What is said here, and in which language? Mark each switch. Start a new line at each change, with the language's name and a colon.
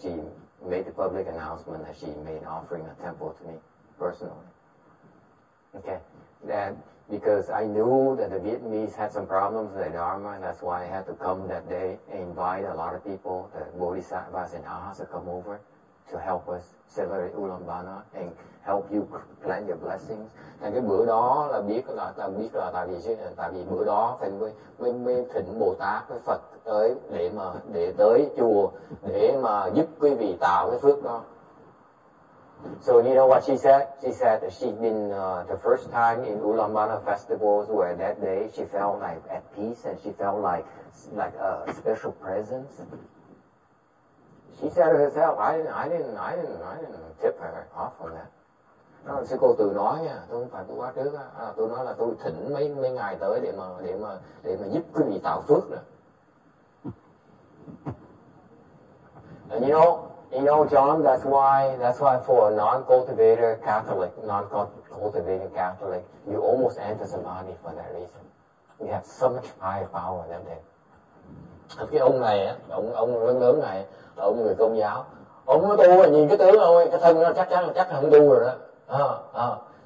English: She made a public announcement that she made offering a temple to me personally. Okay, that. Because I knew that the Vietnamese had some problems with the Dharma, and that's why I had to come that day and invite a lot of people, the Bodhisattvas and Ahas, to come over to help us celebrate Ulambana and help you plant your blessings.
Vietnamese: Thành cái bữa đó là biết là tại vì bữa đó phải mới thỉnh Bồ Tát với Phật tới để tới chùa để mà giúp quý vị tạo cái phước đó.
English: So you know what she said? She said that she'd been the first time in Ulambana festivals where that day she felt like at peace and she felt like a special presence. She said to herself, I didn't tip her off on that.
Vietnamese: Đó là sư cô tự nói nha, tôi không phải tôi quá trước á. Tôi nói là tôi thỉnh mấy ngày tới để mà giúp quý vị tạo phước nè.
English: And you know, John, that's why for a non-cultivator Catholic, non-cultivating Catholic, you almost enter Samadhi for that reason. You have so much higher power than that.
Vietnamese: Cái ông này, ông lớn lớn này, là ông người Công giáo. Ông nói tu rồi, nhìn cái tướng thôi, cái thân nó chắc chắn không tu rồi đó.